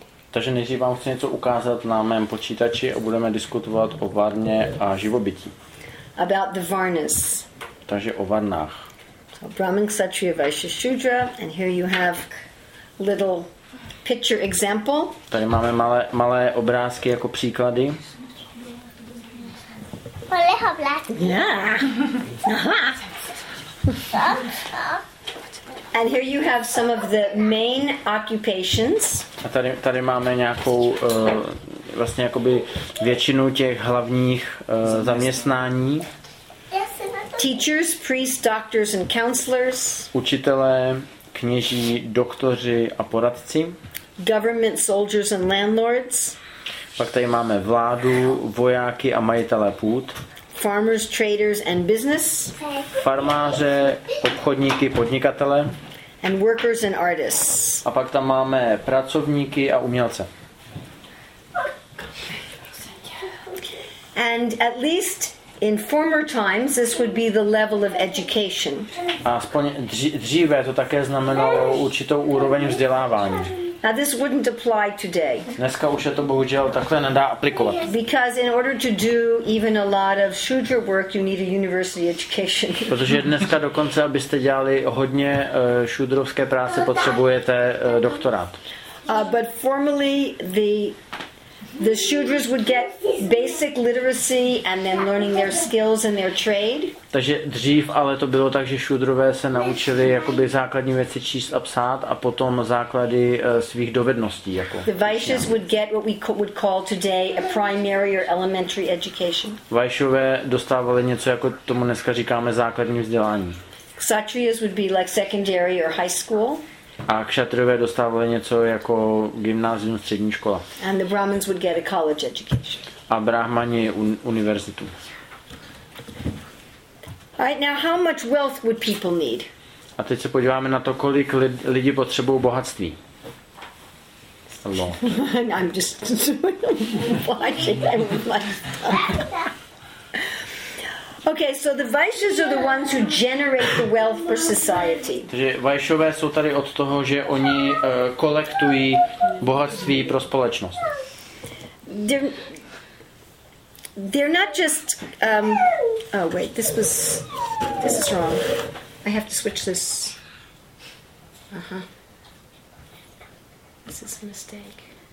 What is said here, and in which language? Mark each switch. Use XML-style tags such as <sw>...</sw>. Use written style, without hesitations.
<cs>Takže nejdřív vám chci něco ukázat na mém počítači a budeme diskutovat o Varně a živobytí.</cs> <en>About the Varnas.</en> <cs>Takže o Varnách.</cs> <en>So Brahmin Kshatriya Vaishya Shudra, and here you have little picture example.</en> <cs>Tady máme malé obrázky jako příklady. Malé obrázky.</cs> <en>Yeah. And here you have some of the main occupations.</en> <cs>A tady máme nějakou vlastně jakoby většinu těch hlavních zaměstnání.</cs> <en>Teachers, priests, doctors and counselors.</en> <cs>Učitelé, kněží, doktoři a poradci.</cs> <en>Government soldiers and landlords.</en> <cs>Pak tady máme vládu, vojáky a majitele půd.</cs> <en>Farmers, traders and business.</en> <cs>Farmáře, obchodníky, podnikatele.</cs> <en>And workers and artists.</en> <cs>A pak tam máme pracovníky a umělce.</cs> <en>And at least in former times this would be the level of education.</en> <cs>Aspoň dříve to také znamenalo určitou úroveň vzdělávání.</cs> <en>Now this wouldn't apply today.</en> <cs>Dneska už se to bohužel takhle nedá aplikovat.</cs> <en>Because in order to do even a lot of shudra work, you need a university education.</en> <cs>Protože dneska dokonce, abyste dělali hodně šudrovské práce, potřebujete doktorát.</cs> <en>But formally the shudras would get basic literacy and then learning their skills and their trade.</en> <cs>Takže dřív ale to bylo tak, že šudrové se naučili jakoby základní věci číst a psát a potom základy svých dovedností jako.</cs> <en>The Vaishyas would get what we would call today a primary or elementary education.</en> <cs>Vaishyové dostávali něco jako tomu dneska říkáme základní vzdělání.</cs> <en>Kshatriyas would be like secondary or high school.</en> <cs>A kšatrové dostávali něco jako gymnázium, střední škola.</cs> <en>And the Brahmins would get a college education.</en> <cs>A brahmani univerzitu.</cs> <en>Right, now how much wealth would people need?</en> <cs>A teď se podíváme na to, kolik lidi potřebují bohatství.</cs> <en>A lot. I'm just watching everyone. Okay, so the Vaishyas are the ones who generate the wealth for society.</en> <cs>Takže Vaishyové jsou tady od toho, že oni kolektují bohatství pro společnost.</cs> <en>They're not just oh wait, this is wrong. I have to switch this. This is a mistake.</en>